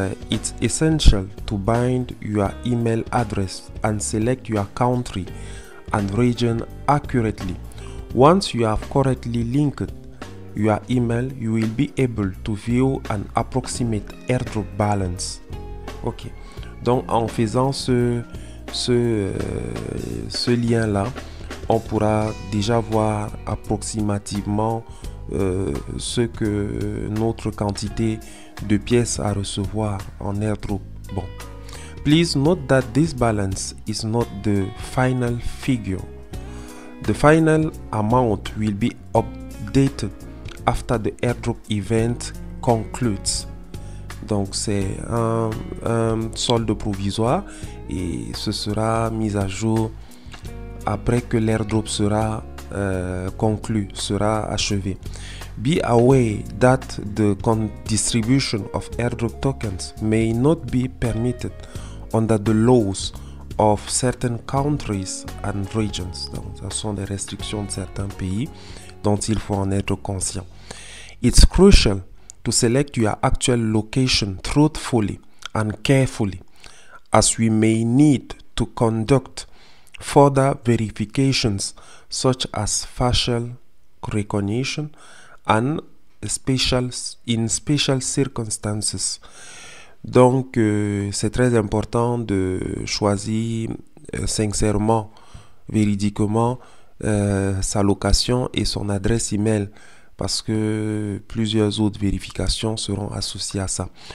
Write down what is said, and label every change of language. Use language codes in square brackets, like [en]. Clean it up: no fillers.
[en] It's essential to bind your email address and select your country and region accurately. Once you have correctly linked your email, you will be able to view an approximate airdrop balance. Ok. [fr] Donc, en faisant ce lien-là, on pourra déjà voir approximativement ce que notre quantité de pièces à recevoir en airdrop. Bon. [en] Please note that this balance is not the final figure. The final amount will be updated after the airdrop event concludes. [fr] Donc c'est un solde provisoire et ce sera mis à jour après que l'airdrop sera conclu, sera achevé. [en] Be aware that the distribution of airdrop tokens may not be permitted under the laws of certain countries and regions. [fr] Donc, ce sont des restrictions de certains pays dont il faut en être conscient. [en] It's crucial to select your actual location thoughtfully and carefully, as we may need to conduct further verifications such as facial recognition and in special circumstances. [fr] Donc c'est très important de choisir sincèrement, véridiquement sa location et son adresse email parce que plusieurs autres vérifications seront associées à ça.